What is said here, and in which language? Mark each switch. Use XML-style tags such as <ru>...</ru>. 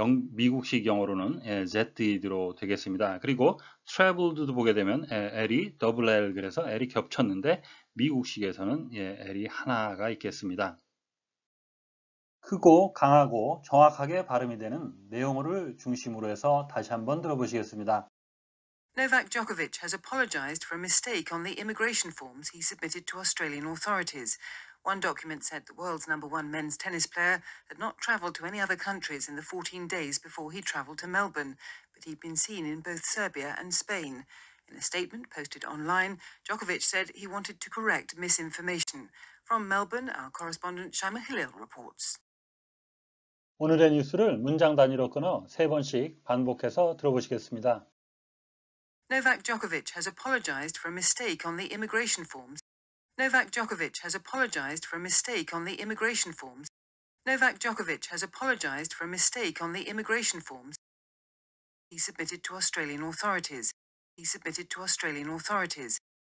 <ko>미국식 영어로는 ZED로 되겠습니다. 그리고 traveled도 보게 되면 L이 double L, 그래서 L이 겹쳤는데, 미국식에서는 L이 하나가 있겠습니다. 크고 강하고 정확하게 발음이 되는 내용을 중심으로 해서 다시 한번 들어보시겠습니다.</ko> <en>Novak Djokovic has apologized for a mistake on the immigration forms he submitted to Australian authorities. One document said the world's number one men's tennis player had not traveled to any other countries in the 14 days before he traveled to Melbourne, but he'd been seen in both Serbia and Spain. In a statement posted online, Djokovic said he wanted to correct misinformation. From Melbourne, our correspondent Shaima Hillel reports.</en> <ko>오늘의 뉴스를 문장 단위로 끊어 세 번씩 반복해서 들어보시겠습니다.</ko> <en>Novak Djokovic has apologized for a mistake on the immigration forms. Novak Djokovic has apologized for a mistake on the immigration forms. Novak Djokovic has apologized for a mistake on the immigration forms. He submitted to Australian authorities. He submitted to Australian authorities.</en>